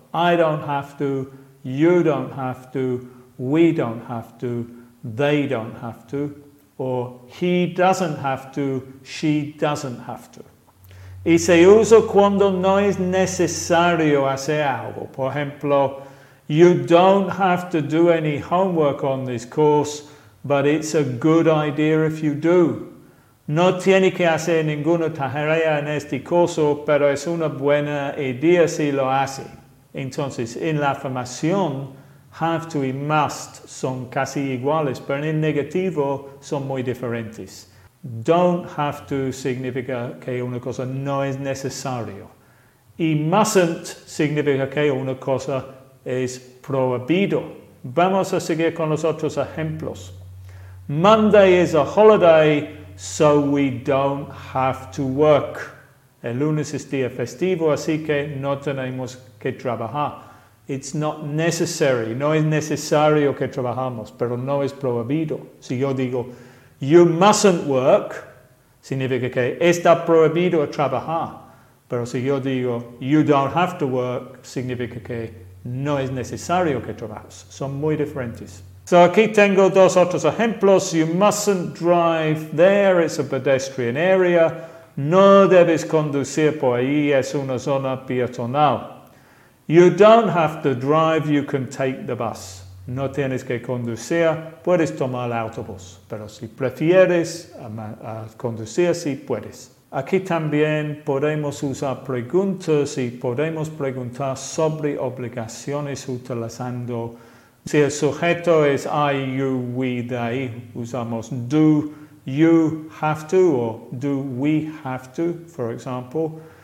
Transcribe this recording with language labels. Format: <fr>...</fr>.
<en>I don't have to, you don't have to, we don't have to, they don't have to, or he doesn't have to, she doesn't have to.</en> <es>Y se usa cuando no es necesario hacer algo. Por ejemplo,</es> <en>you don't have to do any homework on this course, but it's a good idea if you do.</en> <es>No tiene que hacer ninguna tarea en este curso, pero es una buena idea si lo hace. Entonces, en la afirmación, have to y must son casi iguales, pero en negativo son muy diferentes. Don't have to significa que una cosa no es necesario. Y mustn't significa que una cosa es prohibido. Vamos a seguir con los otros ejemplos.</es> <en>Monday is a holiday, so we don't have to work.</en> <es>El lunes es día festivo, así que no tenemos que trabajar.</es> <en>It's not necessary.</en> <es>No es necesario que trabajamos, pero no es prohibido. Si yo digo,</es> <en>you mustn't work,</en> <es>significa que está prohibido trabajar. Pero si yo digo,</es> <en>you don't have to work,</en> <es>significa que no es necesario que trabajes. Son muy diferentes. So aquí tengo dos otros ejemplos.</es> <en>You mustn't drive there. It's a pedestrian area.</en> <es>No debes conducir por ahí. Es una zona peatonal.</es> <en>You don't have to drive. You can take the bus.</en> <es>No tienes que conducir. Puedes tomar el autobús. Pero si prefieres conducir, sí puedes. Aquí también podemos usar preguntas y podemos preguntar sobre obligaciones utilizando. Si el sujeto es</es> <en>I, you, we, they, usamos do you have to or do we have to, for example.</en>